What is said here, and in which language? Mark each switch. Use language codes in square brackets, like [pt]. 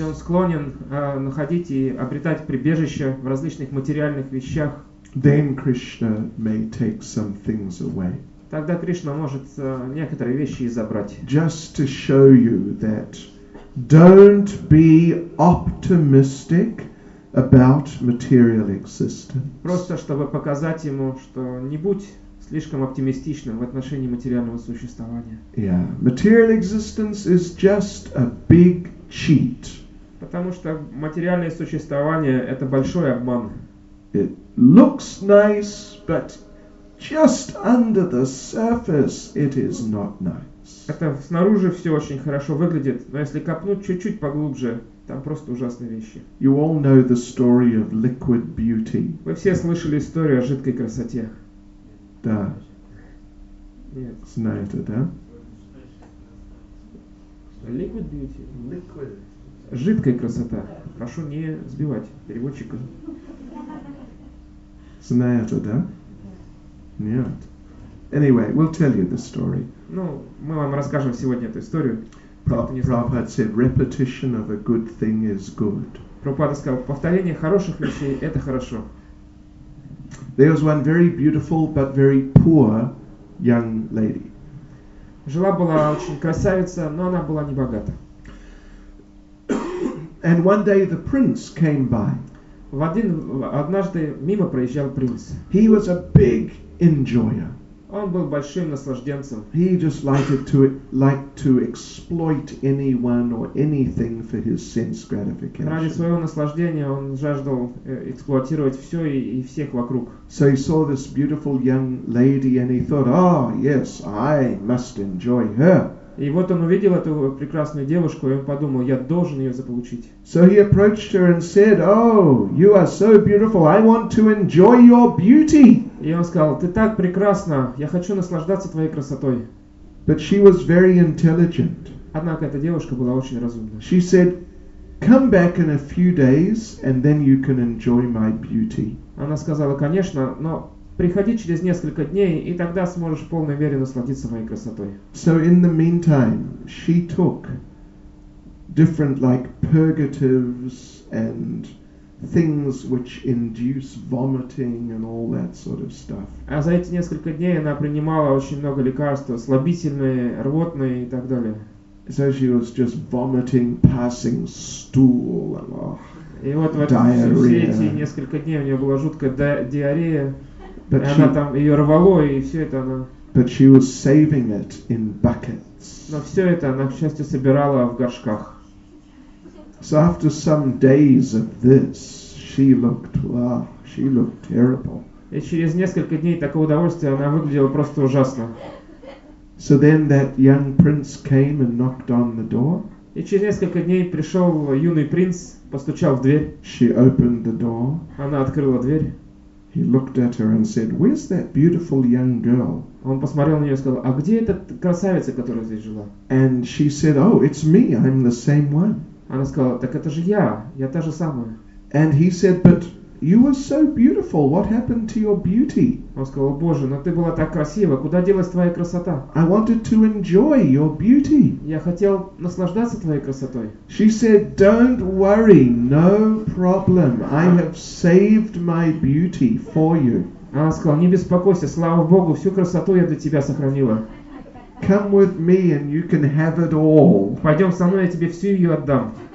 [ru] Если он склонен находить и обретать прибежище в различных материальных вещах, [en] then Krishna may take some things away. [ru] Тогда Кришна может некоторые вещи и забрать. [en] Just to show you that don't be optimistic about material existence. [ru] Просто чтобы показать ему, что не будь слишком оптимистичным в отношении материального существования. [en] Yeah, material existence is just a big cheat. [ru] Потому что материальное существование — это большой обман. [en] It looks nice, but just under the surface it is not nice. [ru] Это снаружи все очень хорошо выглядит, но если копнуть чуть-чуть поглубже, там просто ужасные вещи. [en] You all know the story of liquid beauty. [ru] Вы все слышали историю о жидкой красоте. Да. Нет. Знаете, да? [en] Liquid beauty. Liquid. [ru] Жидкая красота. Прошу не сбивать переводчика. Знаете, да? Нет. [en] Anyway, we'll tell you the story. [ru] Ну, мы вам расскажем сегодня эту историю. [en] Prabhupada said, repetition of a good thing is good. [ru] Прабхупада сказал, повторение хороших вещей — это хорошо. [en] There was one very beautiful but very poor young lady. [ru] Жила была очень красавица, но она была не богата. [en] And one day the prince came by. [ru] Однажды мимо проезжал принц. [en] He was a big enjoyer. [ru] Он был большим наслажденцем. [en] He just liked to exploit anyone or anything for his sense gratification. [ru] Ради своего наслаждения он жаждал эксплуатировать все и всех вокруг. [en] So he saw this beautiful young lady and he thought, oh yes, I must enjoy her. [ru] И вот он увидел эту прекрасную девушку, и он подумал, я должен ее заполучить. [en] So he approached her and said, oh, you are so beautiful, I want to enjoy your beauty. [ru] И он сказал, ты так прекрасна, я хочу наслаждаться твоей красотой. [en] But she was very intelligent. [ru] Однако эта девушка была очень разумна. [en] She said, come back in a few days, and then you can enjoy my beauty. [ru] Она сказала, конечно, но... Приходи через несколько дней, и тогда сможешь в полной мере насладиться моей красотой. [en] So in the meantime, she took different like purgatives and things which induce vomiting and all that sort of stuff. [ru] А за эти несколько дней она принимала очень много лекарств, слабительные, рвотные и так далее. [en] So she was just vomiting, passing stool, oh, [ru] и вот в [en] diarrhea. [ru] Все эти несколько дней у нее была жуткая диарея. But она там ее рвало, и все это она... [en] But she was saving it in buckets. [ru] Но все это она, к счастью, собирала в горшках. [en] So after some days of this, she looked terrible. [ru] И через несколько дней такого удовольствия она выглядела просто ужасно. [en] So then that young prince came and knocked on the door. [ru] И через несколько дней пришел юный принц, постучал в дверь. [en] She opened the door. [ru] Она открыла дверь. [en] He looked at her and said, "Where's that beautiful young girl?" [ru] Он посмотрел на нее и сказал, "А где эта красавица, которая здесь жила?" [en] And she said, "Oh, it's me. I'm the same one." [ru] Она сказала, "Так это же я та же самая." [en] And he said, "But you were so beautiful. What happened to your beauty?" [ru] Он сказал, "О, Боже, но ты была так красива. Куда делась твоя красота?" [en] I wanted to enjoy your beauty. [ru] Я хотел наслаждаться твоей красотой. [en] She said, "Don't worry, no problem. I have saved my beauty for you." [ru] Она сказала, "Не беспокойся, слава Богу, всю красоту я для тебя сохранила." [en] Come with me and you can have it all. [ru] Пойдем со мной, я тебе всю ее отдам.